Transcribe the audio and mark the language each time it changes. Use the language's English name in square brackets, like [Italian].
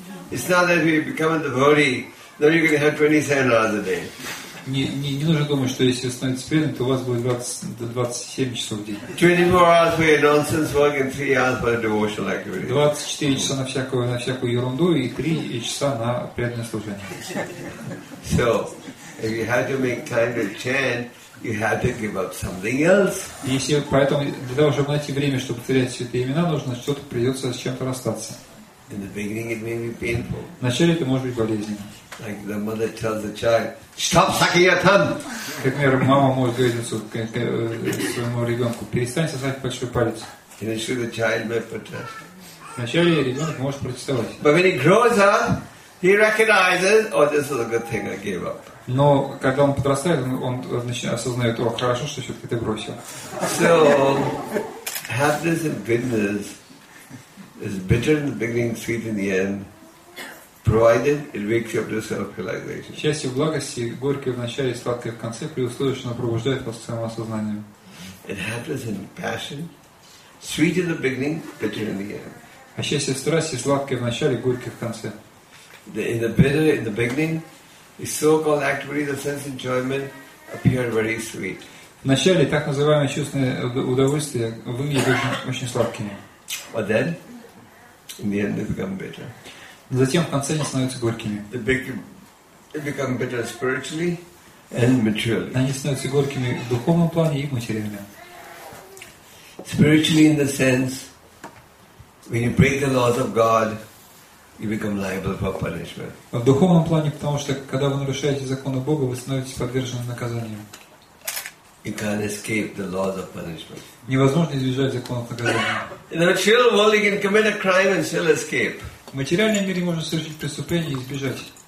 [English] It's not that if you become a devotee, then you're going to have 27 hours a day. [Russian] Не нужно думать, что если вы становитесь преданным, то у вас будет 27 часов в день. [English] 24 hours for your nonsense work and 3 hours for devotional activity. [Russian] 24 часа на всякую ерунду и 3 часа на преданное служение. [English] So, if you had to make time to chant, you had to give up something else. [Russian] Если поэтому для того, чтобы найти время, чтобы повторять святые имена, нужно что-то придется с чем-то расстаться. [English] In the beginning, it may be painful. [Russian] Вначале это может быть болезненно. [English] Like the mother tells the child, "Stop sucking your thumb." [Russian] Как, например, мама может говорить своему ребенку, перестань сосать большой палец. [English] Initially, the child may protest. [Russian] Вначале ребенок может протестовать. [English] But when he grows up, he recognizes, "Oh, this is a good thing. I gave up." [Russian] Но когда он подрастает, он начинает осознавать, "О, хорошо, что все-таки ты бросил." [English] So, happiness and goodness is bitter in the beginning, sweet in the end. Provided it wakes you up to self-realization. [Russian] Счастье в благости, горькое в начале, сладкое в конце, при условии, что оно пробуждает вас к самосознанию. [English] It happens in passion, sweet in the beginning, bitter in the end. [Russian] А счастье в страсти, сладкое в начале, горькое в конце. [English] In the bitter, in the beginning, the so-called activity, the sense enjoyment, appear very sweet. [Russian] В начале так называемое чувственное удовольствие выглядит очень сладким. [English] But then, in the end, they become bitter. [Russian] Затем в конце они становятся горькими. [English] They become bitter spiritually and materially. [Russian] Они становятся горькими в духовном плане и в материальном. [English] Spiritually in the sense, when you break the laws of God, you become liable for punishment. [Russian] В духовном плане, потому что когда вы нарушаете законы Бога, вы становитесь подвержены наказанию. [English] You can't escape the laws of punishment. [Russian] Невозможно избежать законов наказания. [English] In the material world, you can commit a crime and still escape. [Russian] В материальном мире можно совершить преступление и избежать.